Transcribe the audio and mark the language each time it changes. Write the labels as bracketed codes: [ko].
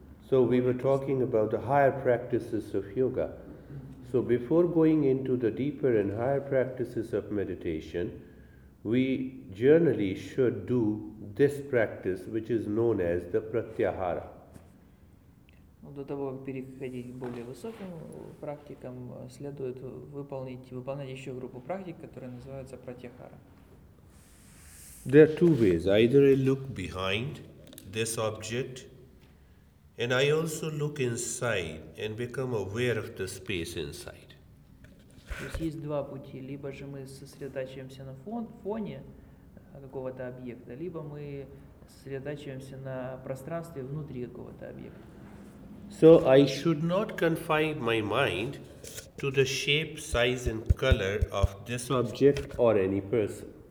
[en] So we were talking about the higher practices of yoga. So before going into the deeper and higher practices of meditation, we generally should do this practice, which is known as the pratyahara. [ru] До того, как переходить к более высоким практикам, следует выполнять еще группу практик, которые называются пратьяхара. [en] There are two ways. Either I look behind this object, and I also look inside and become aware of the space inside. [ru] То есть есть два пути. Либо же мы сосредотачиваемся на фоне какого-то объекта, либо мы сосредотачиваемся на пространстве внутри какого-то объекта. [en] So I should not confine my mind to the shape, size, and color of this object or any person.